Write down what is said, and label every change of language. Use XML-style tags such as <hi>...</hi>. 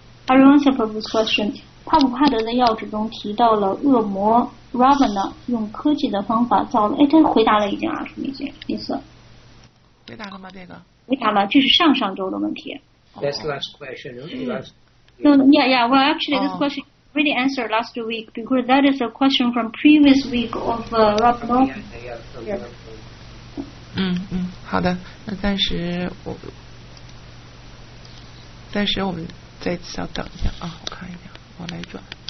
<en>Everyone's supposed question.</en> <zh>帕普帕德的要旨中提到了恶魔 Ravana 用科技的方法造了，哎，他回答了已经啊，什么意思？回答了吗？这个回答了，这是上上周的问题。</zh> <en>That's last question. No, yeah, yeah. Well, actually, this question really answered last week because that is a question from previous week of Ravana.</en> <zh>Yeah. 嗯嗯，好的，那暂时我们再稍等一下啊，我看一下。我来转。</zh>